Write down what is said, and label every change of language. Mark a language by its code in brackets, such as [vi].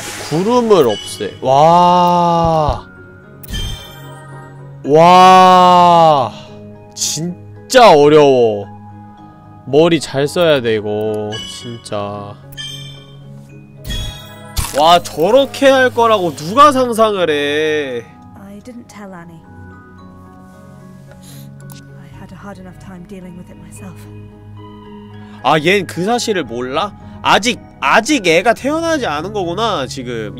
[ko] 구름을 없애. 와. 와. 진짜 어려워. 머리 잘 써야 돼, 이거. 진짜. 와, 저렇게 할 거라고 누가 상상을 해. [en] I didn't tell Annie. I had a hard enough time dealing with it myself. [ko] 아, 얜 그 사실을 몰라? 아직 애가 태어나지 않은 거구나, 지금.